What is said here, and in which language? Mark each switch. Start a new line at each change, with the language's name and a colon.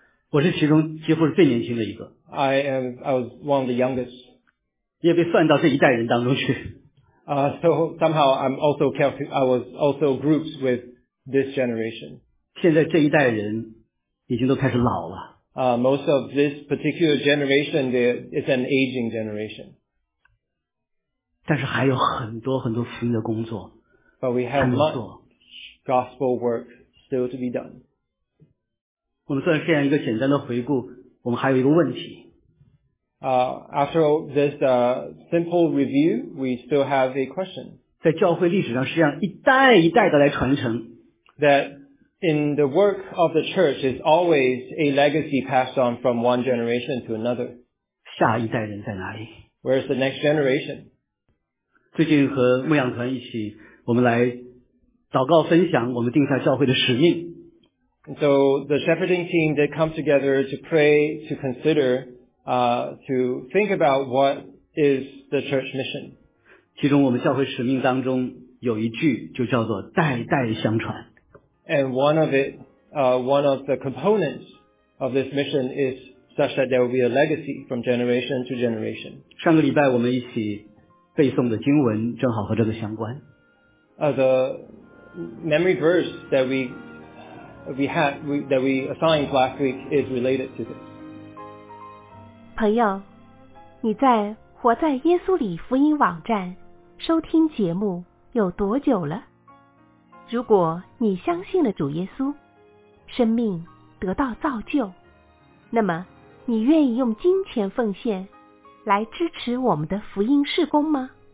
Chinese: 我是其中几乎是最年轻的一个。
English: I was one of the youngest.
Chinese: 也被算到这一代人当中去。
English: So somehow I was also grouped with this generation.
Chinese: 现在这一代人已经都开始老了。
English: Most of this particular generation is an aging generation.
Chinese: 但是还有很多很多福音的工作。
English: But we have much gospel work still to be done.
Chinese: 我们做了这样一个简单的回顾，我们还有一个问题。
English: After this simple review, we still have a question.
Chinese: 在教会历史上是这样一代一代的来传承。
English: That in the work of the church is always a legacy passed on from one generation to another.
Chinese: 下一代人在哪里？
English: Where's the next generation?
Chinese: 最近和牧养团一起，我们来祷告分享我们定下教会的使命。
English: And so the shepherding team, they come together to pray, to consider, to think about what is the church mission.
Chinese: 其中我们教会使命当中有一句就叫做代代相传。
English: And one of the components of this mission is such that there will be a legacy from generation to generation.
Chinese: 上个礼拜我们一起背诵的经文正好和这个相关。
English: The memory verse that we assigned last week is related to this.
Chinese: 朋友，你在活在耶稣里福音网站收听节目有多久了？如果你相信了主耶稣，生命得到造就，那么你愿意用金钱奉献来支持我们的福音事工吗？